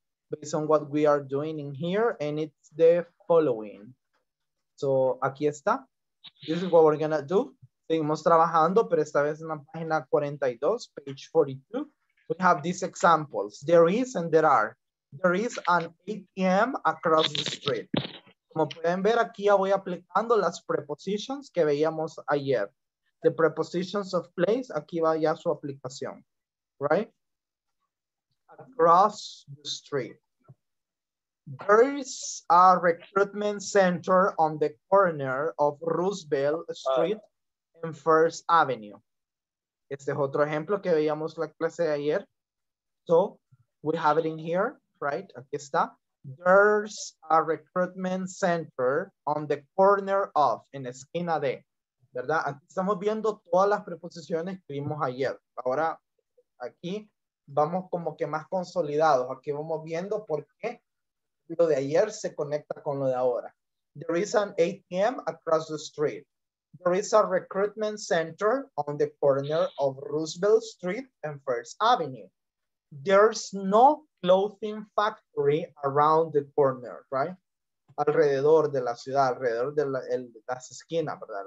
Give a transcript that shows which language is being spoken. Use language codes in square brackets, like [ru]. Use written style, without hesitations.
[en] Based on what we are doing in here, and it's the following. So [es] aquí está. [en] This is what we're gonna do. [es] Seguimos trabajando, pero esta vez en la página 42, [en] page 42. We have these examples. There is and there are. There is an ATM across the street. [es] Como pueden ver, aquí ya voy aplicando las prepositions que veíamos ayer. [en] The prepositions of place, [es] aquí va ya su aplicación, right? [en] Across the street. There is a recruitment center on the corner of Roosevelt Street and First Avenue. [es] Este es otro ejemplo que veíamos la clase de ayer. [en] So, we have it in here, right? [es] Aquí está. [en] There's a recruitment center on the corner of, [es] en la esquina de, ¿verdad? Aquí estamos viendo todas las preposiciones que vimos ayer. Ahora, aquí vamos como que más consolidados. Aquí vamos viendo por qué lo de ayer se conecta con lo de ahora. [en] There is an ATM across the street. There is a recruitment center on the corner of Roosevelt Street and First Avenue. There's no clothing factory around the corner, right? [es] Alrededor de la ciudad, alrededor de las esquinas, ¿verdad?